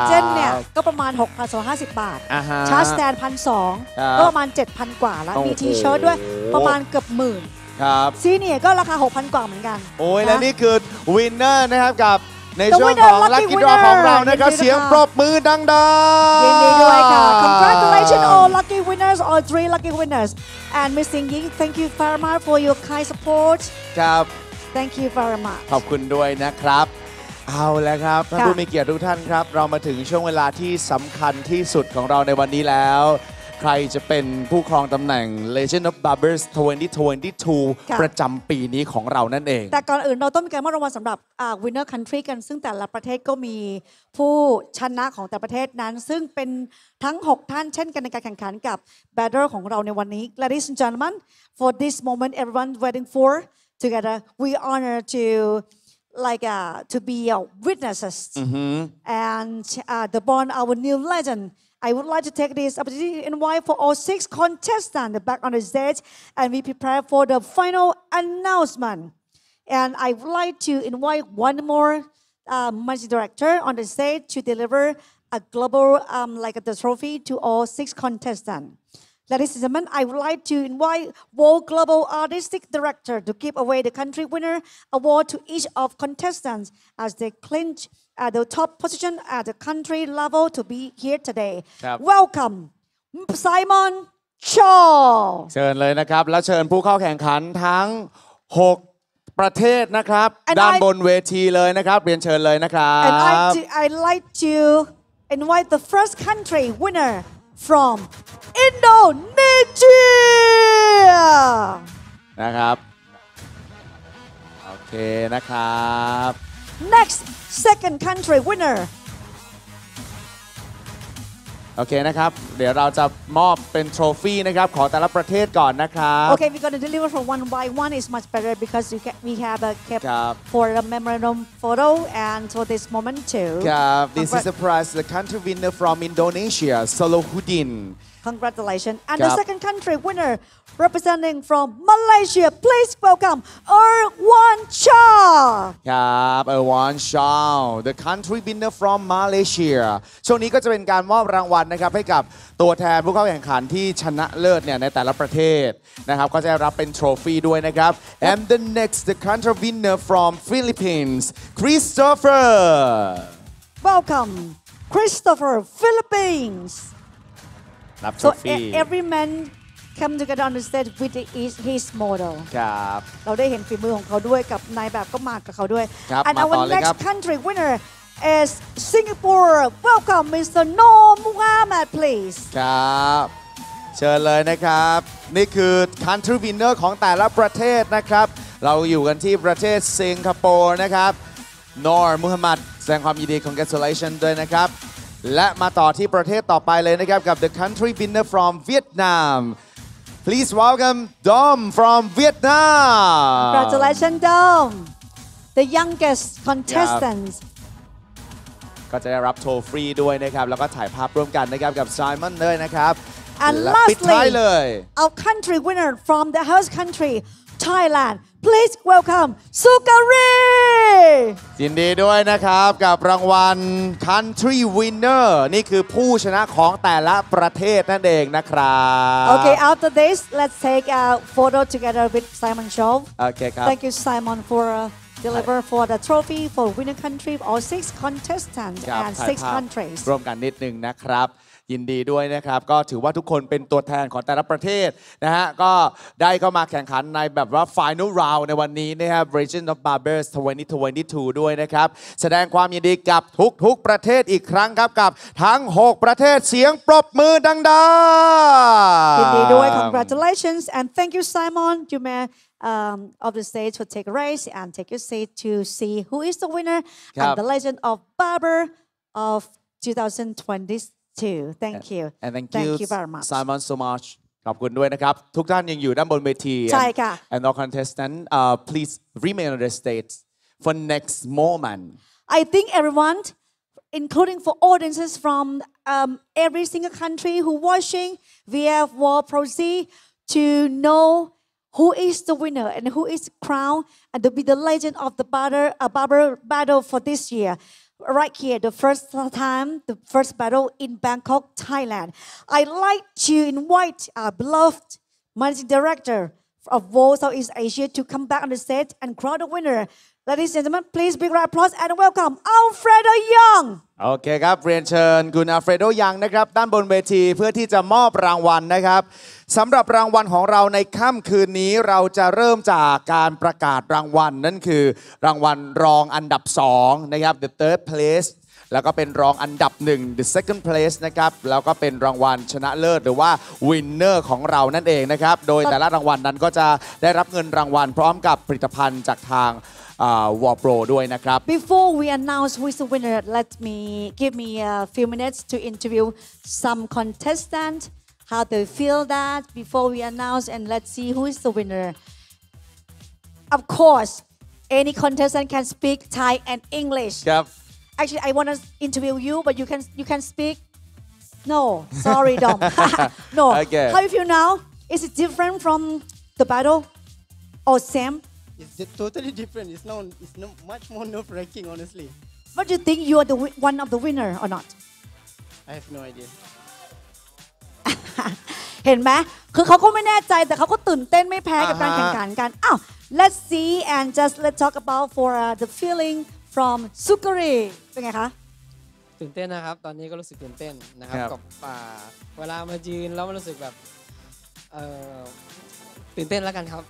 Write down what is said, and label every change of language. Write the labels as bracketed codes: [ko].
[th] เลเจนด์เนี่ยก็ประมาณ 6,250 บาทชาร์จสแตน 1,200 ก็ประมาณ 7,000 กว่าแล้วมีทีเชิร์ตด้วยประมาณเกือบ 10,000 ครับ ซีเนียก็ราคา 6,000 กว่าเหมือนกัน โอ้ยและนี่คือวินเนอร์นะครับกับในช่วงของลัคกี้ดรอว์ของเรานะครับเสียงปรบมือดังๆ ยิน ดีด้วยค่ะ [en] Congratulations all lucky winners all three lucky winners and Miss Ying Ying thank you very much for your kind support [th] ครับ [en] thank you very much [th] ขอบคุณด้วยนะครับเอาละครับท่านผู้มีเกียรติทุกท่านครับเรามาถึงช่วงเวลาที่สำคัญที่สุดของเราในวันนี้แล้วใครจะเป็นผู้ครองตำแหน่ง Legend of Barbers 2022 ประจำปีนี้ของเรานั่นเอง แต่ก่อนอื่นเราต้องมีการมอบรางวัลสำหรับWinner Country กันซึ่งแต่ละประเทศก็มีผู้ชนะของแต่ประเทศนั้นซึ่งเป็นทั้ง6ท่านเช่นกันในการแข่งขันกับ Battle ของเราในวันนี้ [en] Ladies and Gentlemen for this moment everyone waiting for together we honor to like to be witnesses and the born our new legendI would like to take this opportunity to invite for all six contestants back on the stage and we prepare for the final announcement. And I would like to invite one more managing director on the stage to deliver a global the trophy to all six contestants. Ladies and gentlemen, I would like to invite World Global Artistic Director to give away the country winner award to each of contestants as they clinch. At the top position at the country level to be here today. Yep. Welcome, Simon Cho. [th] เชิญเลยนะครับและเชิญผู้เข้าแข่งขันทั้ง6ประเทศนะครับด้านบนเวทีเลยนะครับเรียนเชิญเลยนะครับ [en] And I'd like to invite the first country winner from Indonesia. [th] นะครับโอเคนะครับ [en] Next.Second country winner [th] โอเคนะครับเดี๋ยวเราจะมอบเป็นโทรฟี่นะครับขอแต่ละประเทศก่อนนะครับ [en] โอเค we're going to deliver from one by one is much better because you can, we have a cap for a memorandum photo and for this moment too ครับ this is the prize the country winner from Indonesia Salahuddin congratulations and the second country winner representing from Malaysia please welcome Erwan Shaw [th] ครับ [en] Erwan Shaw the country winner from Malaysia [th] ช่วงนี้ก็จะเป็นการมอบรางวัลนะครับให้กับตัวแทนผู้เข้าแข่งขันที่ชนะเลิศเนี่ยในแต่ละประเทศนะครับก็จะรับเป็นโทรฟี่ด้วยนะครับ [en] and the next the country winner from Philippines Christopher welcome Christopher PhilippinesSo every man come together on the stage with his model. [th] ครับ เราได้เห็นฝีมือของเขาด้วยกับนายแบบก็มากับเขาด้วย ครับ [en] And our next country winner is Singapore. Welcome Mr. Noh Muhammad please. [th] ครับเชิญเลยนะครับนี่คือ country winner ของแต่ละประเทศนะครับเราอยู่กันที่ประเทศสิงคโปร์นะครับ Noh Muhammad แสดงความยินดี congratulation ด้วยนะครับและมาต่อที่ประเทศต่อไปเลยนะครับกับ [en] the country winner from Vietnam [th] please welcome Dom from Vietnam [en] congratulations Dom the youngest contestants [th] ก็จะได้รับโทรฟรีด้วยนะครับแล้วก็ถ่ายภาพร่วมกันนะครับกับ Simon เลยนะครับ [en] and lastly our country winner from the host country Thailand please welcome Sukari [th] ยินดีด้วยนะครับกับรางวัล Country Winner นี่คือผู้ชนะของแต่ละประเทศนั่นเองนะครับ [en] Okay after this let's take a photo together with Simon Chow Okay ครับ Thank you Simon for deliver for the trophy for winner country of all 6 contestants and 6 countries [th] ร่วมกันนิดนึงนะครับยินดีด้วยนะครับก็ถือว่าทุกคนเป็นตัวแทนของแต่ละประเทศนะฮะก็ได้เข้ามาแข่งขันในแบบว่า Final Round ในวันนี้นะครับ Region of Barbers 2022ด้วยนะครับแสดงความยินดีกับทุกๆประเทศอีกครั้งครับกับทั้ง6ประเทศเสียงปรบมือดังๆ ยิน ดีด้วย [en] congratulations and thank you Simon you may of the stage to take a race and take your seat to see who is the winner and the legend of barber of 2022Too. Thank you. And thank you very much. Simon so much. [th] ขอบคุณด้วยนะครับทุกท่านยังอยู่ด้านบนเวที ใช่ค่ะ [en] And all contestants please remain on the stage for next moment. I think everyone including for audiences from every single country who watching via World Pro C to know who is the winner and who is crowned and to be the legend of the barber battle for this year. Right here, the first time, the first battle in Bangkok, Thailand. I'd like to invite our beloved Managing Director of World Southeast Asia to come back on the stage and crown the winner. Ladies and gentlemen, please big round of applause and welcome Alfredo Young. [th] Okay, ครับเรียนเชิญคุณ Alfredo Young นะครับด้านบนเวทีเพื่อที่จะมอบรางวัลนะครับสำหรับรางวัลของเราในค่ำคืนนี้เราจะเริ่มจากการประกาศรางวัลนั่นคือรางวัลรองอันดับ2นะครับ [en] the third place [th] แล้วก็เป็นรองอันดับ1 [en] the second place [th] นะครับแล้วก็เป็นรางวัลชนะเลิศหรือว่า winner ของเรานั่นเองนะครับโดยแต่ละรางวัลนั้นก็จะได้รับเงินรางวัลพร้อมกับผลิตภัณฑ์จากทางWAR PRO ด้วยนะครับ [en] Before we announce who is the winner give me a few minutes to interview some contestant how they feel that before we announce and let's see who is the winner Of course any contestant can speak Thai and English ครับ Actually I want to interview you but you can speak No sorry Dom No okay. How do you feel now is it different from the battle or same? It's totally different. It's much more nerve-wracking, honestly. But do you think you are the one of the winner or not? I have no idea. [th] เห็นไหมคือเขาก็ไม่แน่ใจแต่เขาก็ตื่นเต้นไม่แพ้กับการแข่งขันกันอ้าว [en] let's see and just let's talk about for the feeling from Sukari [th] เป็นไงคะ ตื่นเต้นนะครับตอนนี้ก็รู้สึกตื่นเต้นนะครับกับป่าเวลามายืนแล้วมันรู้สึกแบบตื่นเต้นแล้วกันครับ